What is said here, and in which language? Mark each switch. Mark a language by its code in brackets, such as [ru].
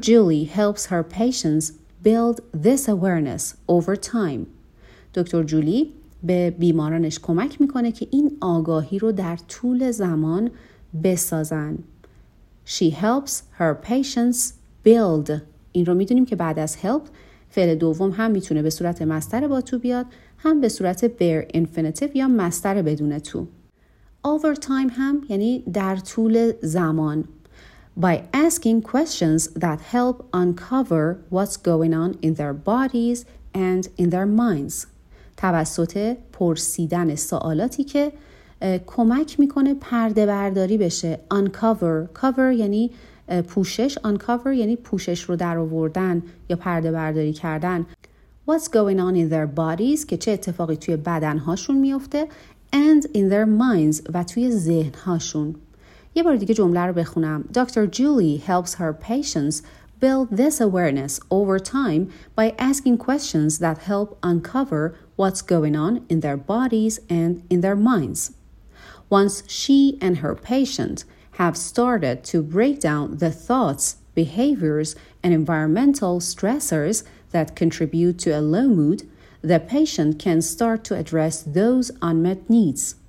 [en] Julie helps her patients build this awareness over time. [fa] دکتر جولی به بیمارانش کمک میکنه که این آگاهی رو در طول زمان بسازن. [en] She helps her patients build. [fa] این رو میدونیم که بعد از help فعل دوم هم میتونه به صورت مصدر با تو بیاد، هم به صورت bare infinitive یا مصدر بدون تو. Over time هم یعنی در طول زمان. [en] By asking questions that help uncover what's going on in their bodies and in their minds. [fa] توسط پرسیدن سوالاتی که کمک میکنه پرده برداری بشه. Uncover. Cover یعنی پوشش. Uncover یعنی پوشش رو در آوردن یا پرده برداری کردن. [en] What's going on in their bodies [fa] که چه اتفاقی توی بدنهاشون میفته. [en] And in their minds [fa] و توی ذهنهاشون. یه بار دیگه جمله رو بخونم. [en] Dr. Julie helps her patients build this awareness over time by asking questions that help uncover what's going on in their bodies and in their minds. Once she and her patient have started to break down the thoughts, behaviors, and environmental stressors that contribute to a low mood, the patient can start to address those unmet needs.